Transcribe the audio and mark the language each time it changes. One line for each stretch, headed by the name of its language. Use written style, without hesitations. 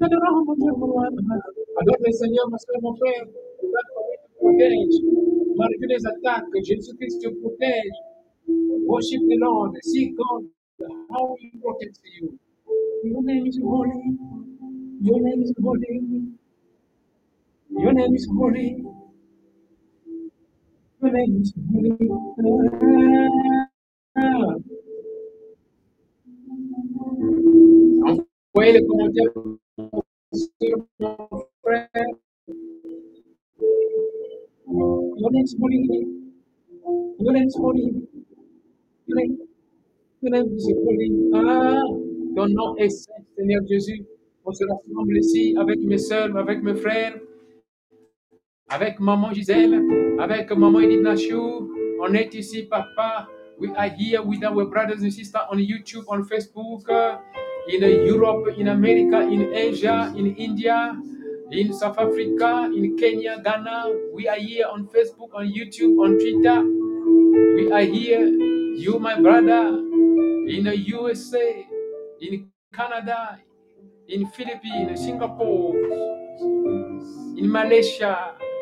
French: Adore le Seigneur, ma soeur, mon frère, tu protèges. Malgré les attaques, Jésus-Christ te protège.
English: Worship the Lord, see God, how he protects you. Your name is holy. Your name is holy. Your name is holy. Your name is holy.
French: Envoyez les commentaires sur mon frère.
English: Your name is holy. Your name is holy. Your name is holy.
French: Ah, ton nom est saint, Seigneur Jésus. On se rassemble ici avec mes soeurs, avec mes frères, avec maman Gisèle, avec maman Edith Nashu. On est ici, papa.
English: We are here with our brothers and sisters on YouTube, on Facebook, in Europe, in America, in Asia, in India, in South Africa, in Kenya, Ghana. We are here on Facebook, on YouTube, on Twitter. We are here, you, my brother, in the USA, in Canada, in Philippines, Singapore, in Malaysia.